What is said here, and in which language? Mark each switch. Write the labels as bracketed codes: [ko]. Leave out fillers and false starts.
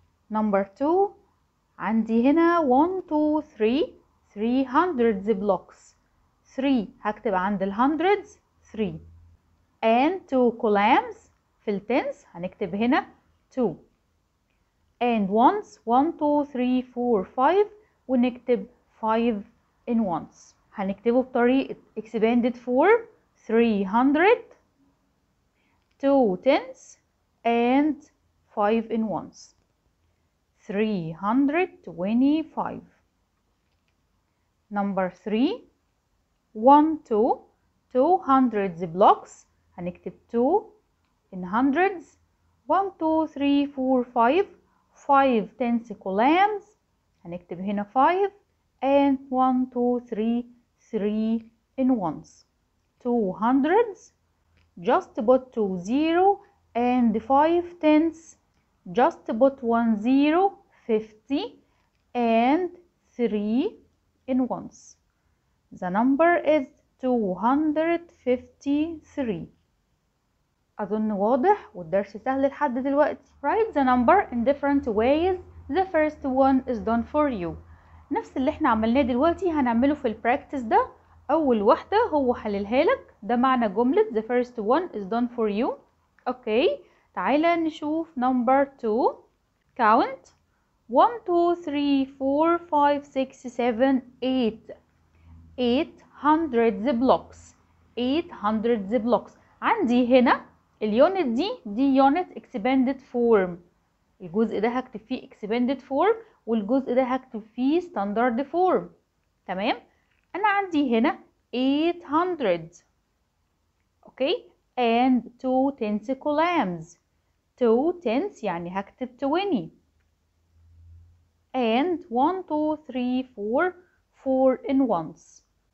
[ar] نمبر 2, عندي هنا 1, 2, 3, 300 بلوكس, 3 هكتب عند الهندردز 3, and 2 columns في التنس هنكتب هنا 2, [en] and ones, [ar] 1, 2, 3, 4, 5, ونكتب 5 [en] in ones. [ar] هنكتبه بطريقة [en] expanded form 300, 2 tens, and 5 in ones, 325. Number 3, 1, 2, 200 blocks, هنكتب 2 in hundreds, 1, 2, 3, 4, 5, 5 tens columns, [ar] هنكتب هنا [en] 5, and 1, 2, 3, 3 in ones, 200s, just put 2 0, and 5 tens, just put 1 0, 50, and 3 in ones. The number is 253. [ar] أظن واضح والدرس سهل لحد دلوقتي. [en] Write the number in different ways. The first one is done for you. [ar] نفس اللي احنا عملناه دلوقتي هنعمله في البراكتس ده. اول واحدة هو حللها لك، ده معنى جملة [en] the first one is done for you. [ar] اوكي تعالى نشوف [en] number two. count 1 2 3 4 5 6 7 8 800 blocks. 800 blocks. [ar] عندي هنا اليونت دي يونت expanded form، الجزء ده هكتب فيه expanded form والجزء ده هكتب فيه standard form. تمام، انا عندي هنا 800. [en] okay and 2 tensicolams، 2 tens [ar] يعني هكتب [en] 20، and 1 2 3 4 4 in ones.